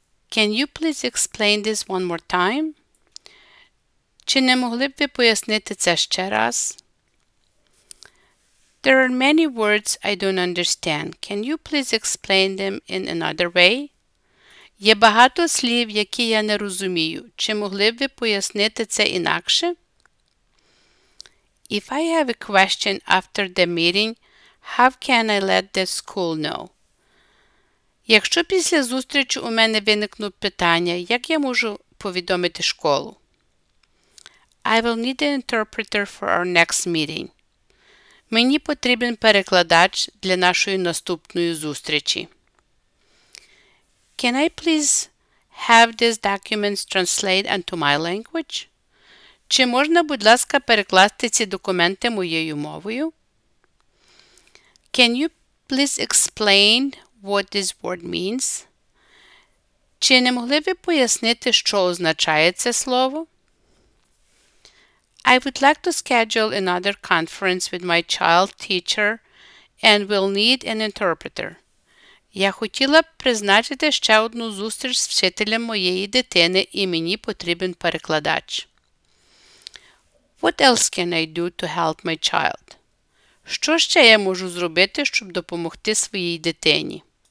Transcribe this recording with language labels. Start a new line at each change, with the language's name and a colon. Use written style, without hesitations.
English: Can you please explain this one more time?
Ukrainian: Чи не могли б ви пояснити це ще раз?
English: There are many words I don't understand. Can you please explain them in another way?
Ukrainian: Є багато слів, які я не розумію. Чи могли б ви пояснити це інакше?
English: If I have a question after the meeting, how can I let the school know?
Ukrainian: Якщо після зустрічі у мене виникнуть питання, як я можу повідомити школу?
English: I will need an interpreter for our next meeting.
Ukrainian: Мені потрібен перекладач для нашої наступної зустрічі.
English: Can I please have these documents translated into my language?
Ukrainian: Чи можна, будь ласка, перекласти ці документи моєю мовою?
English: Can you please explain what this word means?
Ukrainian: Чи не могли ви пояснити, що означає це слово?
English: I would like to schedule another conference with my child teacher and will need an interpreter.
Ukrainian: Я хотіла б призначити ще одну зустріч з вчителем моєї дитини і мені потрібен перекладач.
English: What else can I do to help my child?
Ukrainian: Що ще я можу зробити, щоб допомогти своїй дитині?